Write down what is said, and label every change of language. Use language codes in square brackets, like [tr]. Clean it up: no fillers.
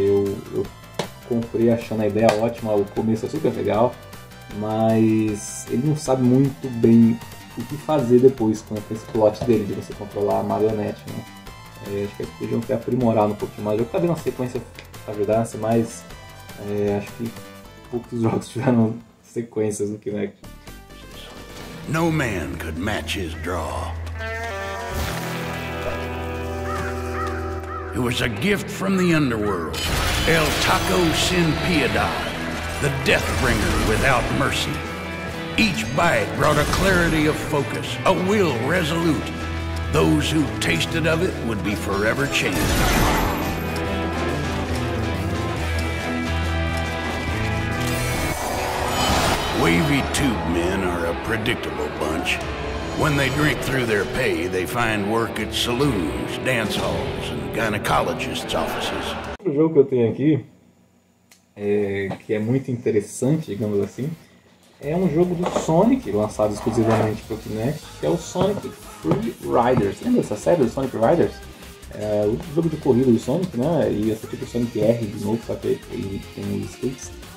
[pt] Eu comprei achando a ideia ótima, o começo é super legal, mas ele não sabe muito bem o que fazer depois com esse plot dele, de você controlar a marionete, né? Acho que eles podiam ter aprimorado um pouquinho mais. Eu acabei na sequência pra ajudar, mas acho que poucos jogos tiveram sequências no Kinect. [en] No man could match his draw. It was a gift from the underworld. El Taco Sin Piedad, the Deathbringer without mercy. Each bite brought a clarity of focus, a will resolute. Those who tasted of it would be forever changed. Wavy tube men are a predictable bunch. When they drink through their pay, they find work at saloons, dance halls, and gynecologists' offices. [pt] Outro jogo que eu tenho aqui, que é muito interessante, digamos assim, é um jogo do Sonic, lançado exclusivamente para o Kinect, que é o Sonic Free Riders. Lembra essa série do Sonic Riders? É o jogo de corrida do Sonic, né? E esse aqui é o Sonic R de novo, só que ele tem os skates.